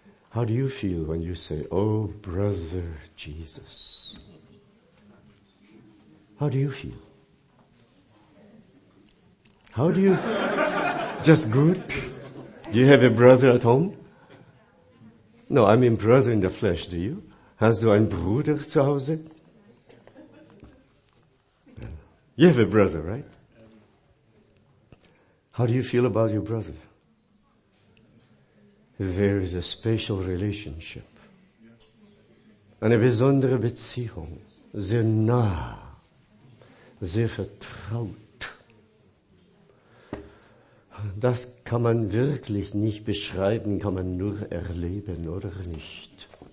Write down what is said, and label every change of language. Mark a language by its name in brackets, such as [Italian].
[English] How do you feel when you say, oh Brother Jesus? How do you feel? How do you... Just good? Do you have a brother at home? No, I mean brother in the flesh, do you? [German] Hast du einen Bruder zu Hause? [English] You have a brother, right? How do you feel about your brother? There is a special relationship. [German] Eine besondere Beziehung. Sehr nah. Sehr vertraut. Das kann man wirklich nicht beschreiben, kann man nur erleben, oder nicht?